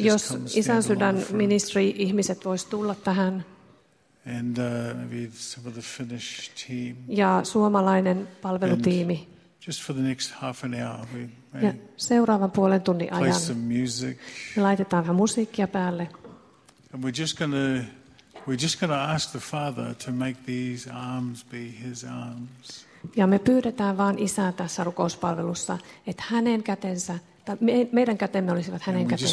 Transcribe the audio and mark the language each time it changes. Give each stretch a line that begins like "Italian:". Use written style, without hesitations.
Finnish: jos isän sydän ministry ihmiset vois tulla tähän.
English: And maybe some of the Finnish team.
Finnish: Ja suomalainen palvelutiimi.
English: And just for the next half an hour we may
Finnish: ja seuraavan puolen tunnin ajan.
English: Play some music.
Finnish: Me laitetaan vähän musiikkia päälle.
English: And we're just gonna ask the Father to make these arms be his arms.
Finnish: Ja me pyydetään vaan isää tässä rukouspalvelussa, että hänen kätensä, tai meidän kätemme olisivat hänen